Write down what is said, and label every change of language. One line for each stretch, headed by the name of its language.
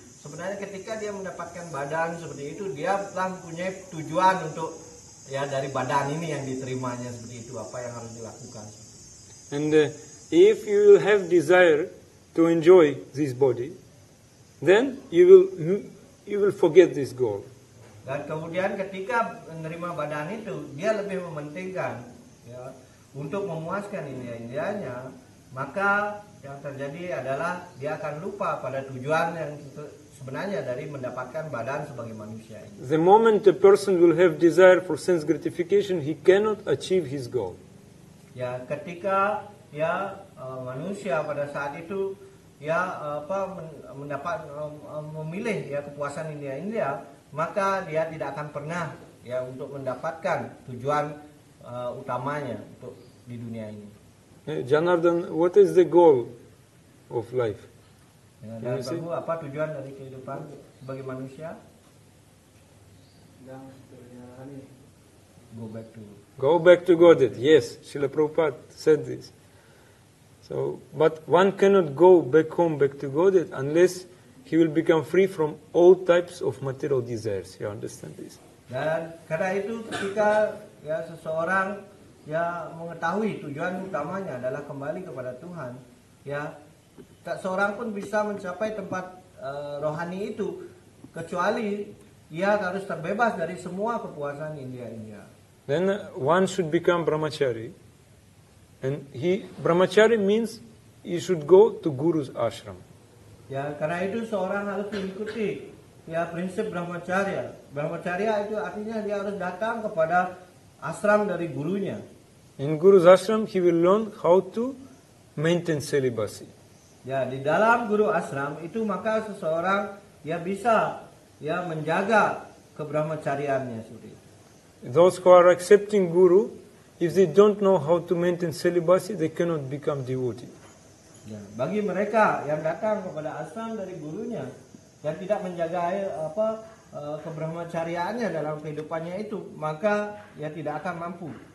Indonesian: Sebenarnya ketika dia mendapatkan badan seperti itu, dia telah punya tujuan untuk ya dari badan ini yang diterimanya seperti itu, apa yang harus dilakukan.
English: And if you will have desire to enjoy this body, then you will forget this goal.
Indonesian: Dan kemudian ketika menerima badan itu, dia lebih mementingkan ya untuk memuaskan indrianya, maka yang terjadi adalah dia akan lupa pada tujuan yang sebenarnya dari mendapatkan badan sebagai manusia ini.
English: The moment a person will have desire for sense gratification, he cannot achieve his goal.
Indonesian: Ya, ketika ya manusia pada saat itu ya mendapat memilih ya kepuasan indria, maka dia tidak akan pernah ya untuk mendapatkan tujuan utamanya untuk di dunia ini.
English: Janardhan, what is the goal of life?
Indonesian: Janardhan, Prabhu, apa tujuan dari kehidupan sebagai manusia? Dan
English: go back to Godhead. Yes, Srila Prabhupada said this. So, but one cannot go back home, back to Godhead, unless he will become free from all types of material desires. You understand this?
Indonesian: Dan karena itu ketika ya seseorang ya mengetahui tujuan utamanya adalah kembali kepada Tuhan, ya tak seorang pun bisa mencapai tempat rohani itu kecuali ia harus terbebas dari semua kepuasan indria.
English: Then one should become brahmachari. And he brahmachari means he should go to guru's ashram.
Indonesian: Ya, karena itu seorang harus mengikuti ya prinsip brahmacharya. Brahmacharya itu artinya dia harus datang kepada ashram dari gurunya.
English: In guru's ashram he will learn how to maintain celibacy.
Indonesian: Ya, di dalam guru ashram itu maka seseorang ya bisa ya menjaga kebrahmacariannya seperti itu.
English: Those who are accepting guru, if they don't know how to maintain celibacy, they cannot become devotee.
Indonesian: Ya, bagi mereka yang datang kepada ashram dari gurunya dan tidak menjaga kebrahmacariaannya dalam kehidupannya itu, maka ia tidak akan mampu.